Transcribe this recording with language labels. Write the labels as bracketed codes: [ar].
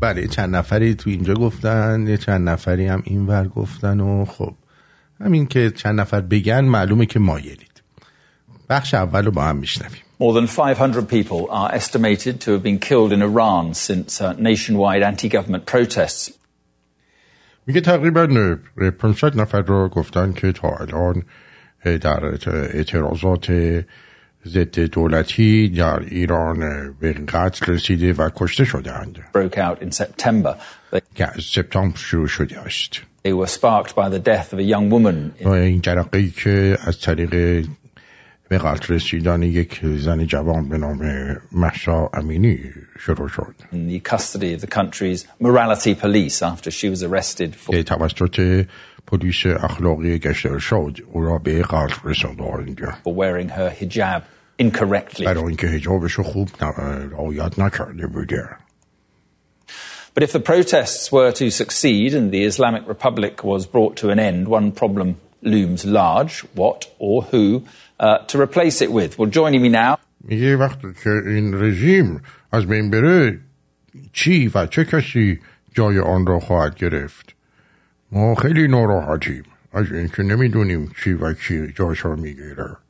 [fa] چند نفری تو اینجا گفتن، یه چند نفری هم اینور گفتن و خب همین که چند نفر بگن معلومه که مایلید. بخش اول رو با هم میشنویم. [en] More than 500 people are estimated to have been killed in Iran since nationwide anti-government protests. [fa] میگه تقریبا 500 نفر رو گفتن که تا الان در اعتراضات ضد دولتی در ایران به قتل رسیده و کشته شده اند. [en] Broke out in September. [fa] سپتامبر شروع شده است. [en] They were sparked by the death of a young woman. [fa] این جرقه‌ای که از طریق به قتل رسیدن یک زن جوان به نام مهسا امینی شروع شد. [en] In the custody of the country's morality police after she was arrested for [fa] توسط پلیس اخلاقی گشت ارشاد او را به قتل رساندند. [en] For wearing her hijab incorrectly. [fa] برای اینکه حجابش را خوب رعایت نکرده بود. [en] But if the protests were to succeed and the Islamic Republic was brought to an end, one problem looms large: what or who to replace it with. Well, joining me now. [fa] میگه وقتی که این رژیم از بین بره چی و چه کسی جای آن را خواهد گرفت؟ ما خیلی ناراحتیم از اینکه نمیدونیم چی و کی جایش را میگیره.